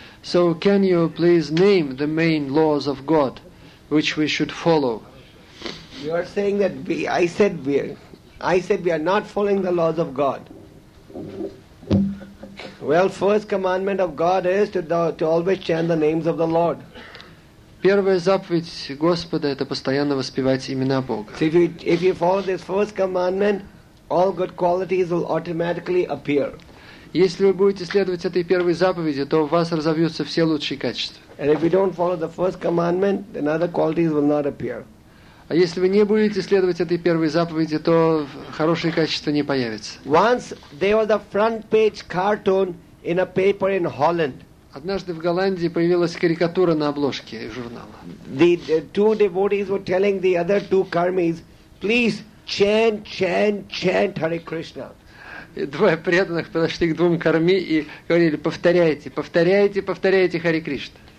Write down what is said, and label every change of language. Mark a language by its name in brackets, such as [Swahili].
[English] So can you please name the main laws of God which we should follow? You are saying that I said we are not following the laws of God. Well, first commandment of God is to always chant the names of the Lord. [Russian] Первая заповедь Господа — это постоянно воспевать имена Бога. [English] So if you follow this first commandment, all good qualities will automatically appear. [Russian] Если вы будете следовать этой первой заповеди, то в вас разовьются все лучшие качества. [English] And if you don't follow the first commandment, then other qualities will not appear. [Russian] А если вы не будете следовать этой первой заповеди, то хорошие качества не появятся. [English] Once there was a front page cartoon in a paper in Holland. [Russian] Однажды в Голландии появилась карикатура на обложке журнала. [English] The two devotees were telling the other two karmis, please chant Hare Krishna. [Russian] И двое преданных подошли к двум карми и говорили: повторяйте Хари Кришна.